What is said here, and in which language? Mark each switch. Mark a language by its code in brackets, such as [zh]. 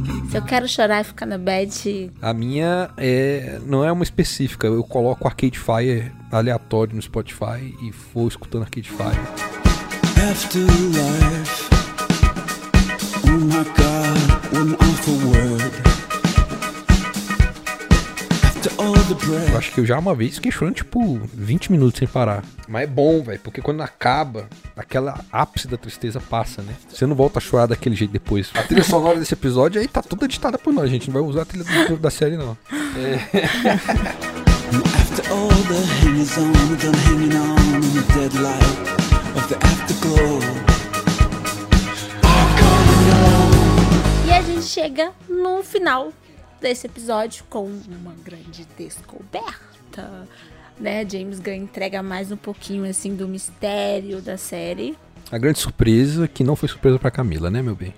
[pt] Se eu quero chorar e ficar na bad... A minha é, não é uma específica. Eu coloco Arcade Fire aleatório no Spotify e vou escutando Arcade Fire. [en] Afterlife. Oh my God, what an awful word. [pt] Eu acho que eu já uma vez fiquei chorando tipo 20 minutos sem parar. Mas é bom, velho, porque quando acaba, aquela ápice da tristeza passa, né? Você não volta a chorar daquele jeito depois. A trilha sonora desse episódio aí tá toda editada por nós, gente. Não vai usar a trilha da série, não. [en] After all the hangers on, done hanging on in the dead light of the afterglow. [pt] E a gente chega no final desse episódio com uma grande descoberta, né? James Gunn entrega mais um pouquinho assim do mistério da série. A grande surpresa, que não foi surpresa pra Camila, né, meu bem?